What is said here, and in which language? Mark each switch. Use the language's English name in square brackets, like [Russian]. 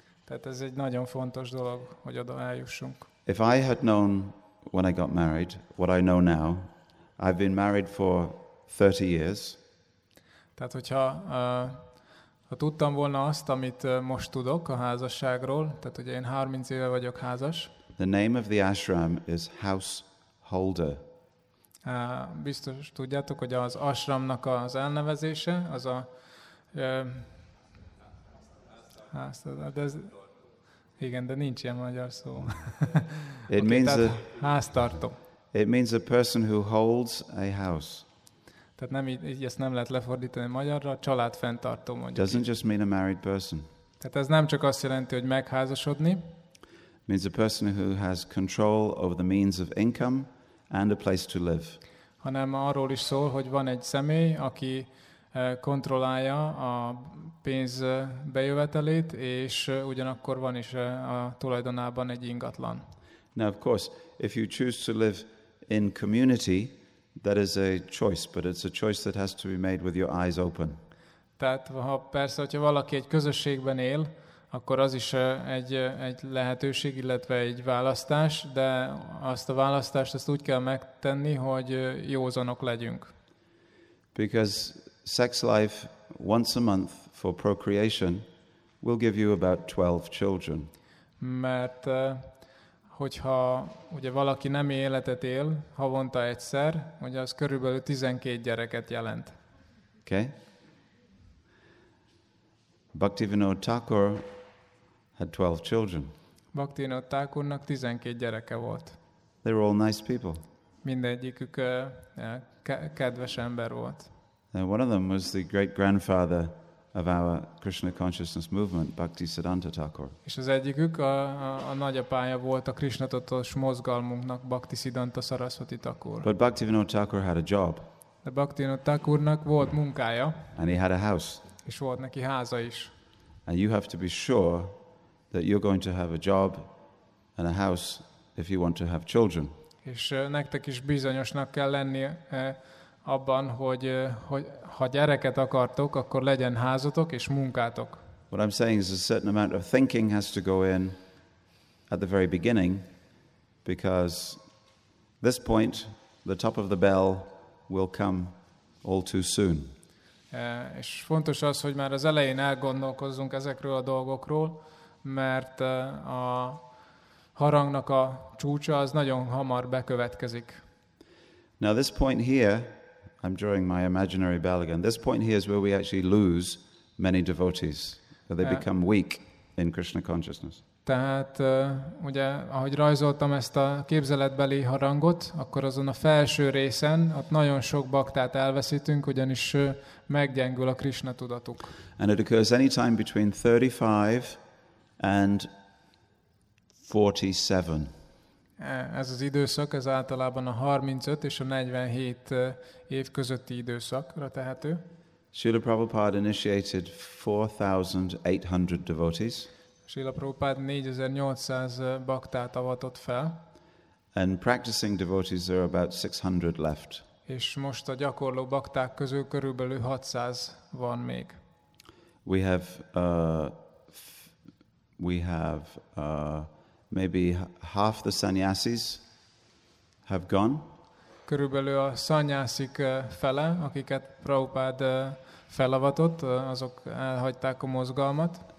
[Hungarian] Tehát ez egy nagyon fontos dolog, hogy oda eljussunk. [English] If I had known when I got married what I know now, I've been married for 30 years. [Hungarian] Tehát hogyha tudtam volna azt, amit most tudok a házasságról, tehát ugye én 30 éve vagyok házas. [English] The name of the ashram is Householder. [Hungarian] Biztos tudjátok, hogy az ashramnak az elnevezése, az a háztartó. Igen, de nincs ilyen magyar szó. [English] It means [Hungarian] háztartó. [English] It means a person who holds a house. [Hungarian] Tehát nem így ezt nem lehet lefordítani magyarra, a család fenntartó mondjuk. [English] Doesn't just mean a married person. [Hungarian] Tehát ez nem csak azt jelenti, hogy megházasodni. [English] Means a person who has control over the means of income and a place to live. [Hungarian] Hanem arról is szól, hogy van egy személy, aki kontrollálja a pénz bejövetelét, és ugyanakkor van is a tulajdonában egy ingatlan. [English] Now of course, if you choose to live in community, that is a choice, but it's a choice that has to be made with your eyes open. [Hungarian] Tehát ha persze, hogyha valaki egy közösségben él, akkor az is egy lehetőség, illetve egy választás, de azt a választást azt úgy kell megtenni, hogy józanok legyünk. [English] Because sex life once a month for procreation will give you about 12 children. [Hungarian] Mert hogyha ugye valaki nemi életet él havonta egyszer, ugye az körülbelül 12 gyereket jelent. [English] Okay. Bhaktivinoda Thakur had 12 children. [Hungarian] Bhaktivinoda Thakurnak 12 gyereke volt. [English] They were all nice people. [Hungarian] Mindegyikük kedves ember volt. [English] And one of them was the great grandfather of our Krishna consciousness movement, Bhaktisiddhanta Thakur. [Hungarian] És az egyikük a nagyapája volt a Krishna tudatos mozgalmunknak, Bhaktisiddhanta Saraswati Thakur. [English] But Bhaktivinoda Thakur had a job. [Hungarian] De Bhaktivinoda Thakurnak volt munkája. [English] And he had a house. [Hungarian] És volt neki háza is. [English] And you have to be sure that you're going to have a job and a house if you want to have children. [Hungarian] És nektek is bizonyosnak kell lenni abban, hogy ha gyereket akartok, akkor legyen házatok és munkátok. [English] What I'm saying is a certain amount of thinking has to go in at the very beginning, because this point, the top of the bell will come all too soon. [Hungarian] És fontos az, hogy már az elején elgondolkozzunk ezekről a dolgokról, mert a harangnak a csúcsa az nagyon hamar bekövetkezik. [English] Now this point here, I'm drawing my imaginary bell again. This point here is where we actually lose many devotees, where they become weak in Krishna consciousness. [Hungarian] Tehát, ugye, ahogy rajzoltam ezt a képzeletbeli harangot, akkor azon a felső részen, ott nagyon sok baktát elveszítünk, ugyanis meggyengül a Krishna tudatuk. [English] And it occurs any time between 35 and 47. [Hungarian] Ez az időszak, ez általában a 35 és a 47 év közötti időszakra tehető. [English] Srila Prabhupada initiated 4,800 devotees. [Hungarian] Srila Prabhupada 4,800 baktát avatott fel. [English] And practicing devotees are about 600 left. [Hungarian] És most a gyakorló bakták közül körülbelül 600 van még. [English] We have maybe half the sannyasis have gone. [Hungarian] Körülbelül a sannyasik fele, akiket Prabhupada felavatott, azok elhagyták a mozgalmat.